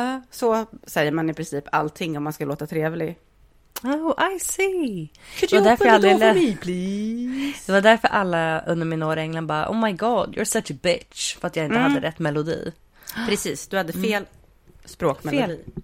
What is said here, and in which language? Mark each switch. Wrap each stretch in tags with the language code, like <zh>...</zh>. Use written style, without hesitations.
<sv>Så säger man i princip allting om man ska låta trevlig.</sv> <en>Oh, I see. Could you open the door for me, please?</en> <sv>Det var därför alla under min år i England bara,</sv> <en>oh my god, you're such a bitch.</en> <sv>För att jag inte hade rätt melodi. Precis, du hade fel språkmelodi.</sv>